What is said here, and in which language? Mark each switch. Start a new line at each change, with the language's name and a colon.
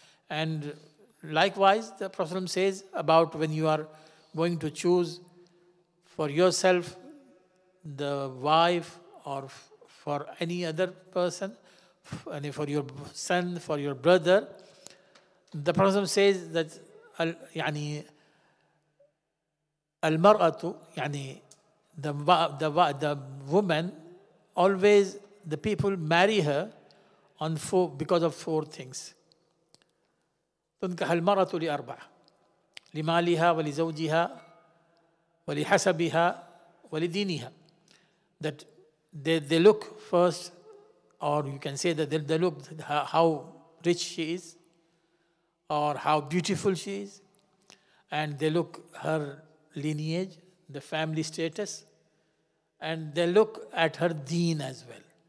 English: And likewise, the Prophet says about when you are going to choose for yourself the wife or for any other person, for your son, for your brother, the Prophet says that yani al-mar'atu, yani the woman, always the people marry her on because of four things.
Arabic: تنكح المرأة لأربع لمالها ولزوجها ولحسبها ولدينها.
English: That they look first, or you can say that they look how rich she is or how beautiful she is, and they look her lineage, the family status, and they look at her deen as well.